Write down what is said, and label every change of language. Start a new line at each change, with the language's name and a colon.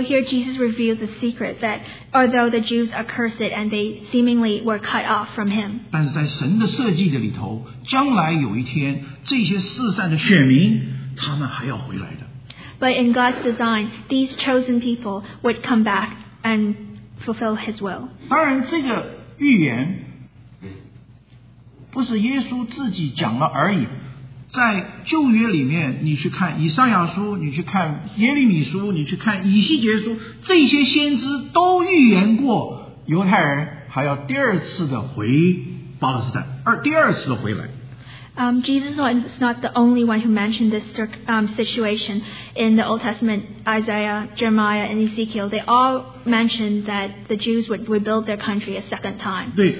English: here Jesus reveals a secret that although the Jews are cursed and they seemingly were cut off from him.
Chinese: 但是在神的设计的里头，将来有一天，这些四散的选民，他们还要回来的。
English: But in God's design, these chosen people would come back and fulfill His will.
Chinese: 当然这个 预言不是耶稣自己讲了而已，在旧约里面，你去看以赛亚书，你去看耶利米书，你去看以西结书，这些先知都预言过犹太人还要第二次的回巴勒斯坦，而第二次的回来。
English: Jesus is not the only one who mentioned this situation in the Old Testament. Isaiah, Jeremiah, and Ezekiel, they all mentioned that the Jews would rebuild their country a second time.